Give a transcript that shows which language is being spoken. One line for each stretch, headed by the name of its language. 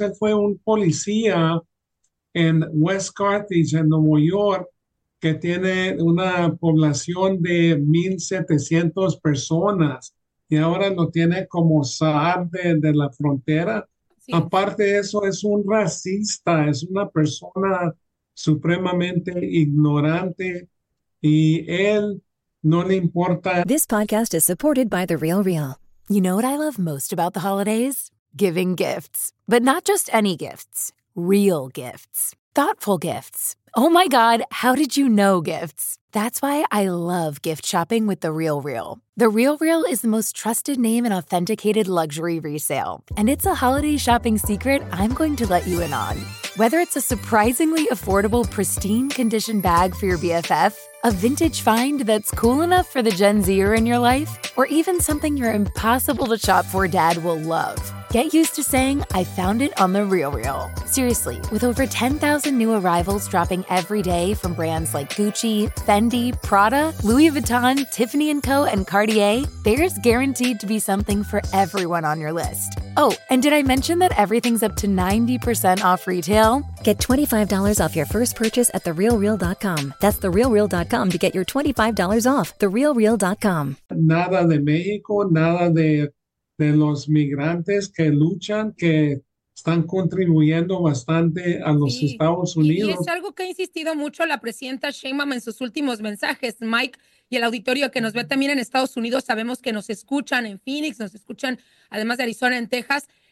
Spanish: Él fue un policía en West Carthage, en Nueva York, que tiene una población de 1.700 personas y ahora lo tiene como zar de la frontera. Así es. Aparte de eso, es un racista, es una persona supremamente ignorante y él no le importa.
English: This podcast is supported by The Real Real. You know what I love most about the holidays? Giving gifts. But not just any gifts. Real gifts. Thoughtful gifts. Oh my God, how did you know gifts? That's why I love gift shopping with The Real Real. The Real Real is the most trusted name in authenticated luxury resale. And it's a holiday shopping secret I'm going to let you in on. Whether it's a surprisingly affordable pristine condition bag for your BFF, a vintage find that's cool enough for the Gen Zer in your life, or even something your impossible to shop for dad will love. Get used to saying, I found it on The RealReal. Seriously, with over 10,000 new arrivals dropping every day from brands like Gucci, Fendi, Prada, Louis Vuitton, Tiffany & Co., and Cartier, there's guaranteed to be something for everyone on your list. Oh, and did I mention that everything's up to 90% off retail? Get $25 off your first purchase at TheRealReal.com. That's TheRealReal.com to get your $25 off. TheRealReal.com.
Spanish: Nada de México, nada de los migrantes que luchan, que están contribuyendo bastante a los Sí, Estados y es Unidos. algo que ha insistido mucho la presidenta Sheinbaum en sus últimos mensajes, Mike, y el auditorio que nos ve también en Estados Unidos, sabemos que nos escuchan en Phoenix, nos escuchan además de Arizona, en Texas.